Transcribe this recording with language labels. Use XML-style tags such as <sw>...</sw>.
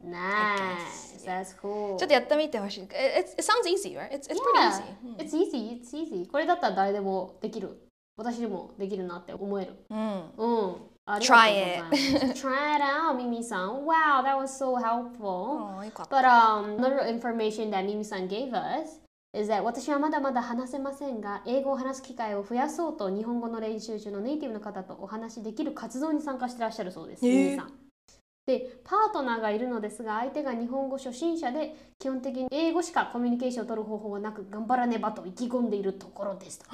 <en>Nice. That's cool.</en> <ja>ちょっとやってみてほしい。</ja> <en>It sounds easy, right? It's pretty easy. It's easy. It's easy.</en> <ja>これだったら誰でもできる。私でもできるなって思える。</ja> <en>Try it. Try it out, Mimi-san. Wow, that was so helpful. But another information that Mimi-san gave us. Is that</en> <ja>私はまだまだ話せませんが、英語を話す機会を増やそうと日本語の練習中のネイティブの方とお話しできる活動に参加してらっしゃるそうです。さん。で、パートナーがいるのですが、相手が日本語初心者で基本的に英語しかコミュニケーションを取る方法がなく頑張らねばと意気込んでいるところですと。</ja>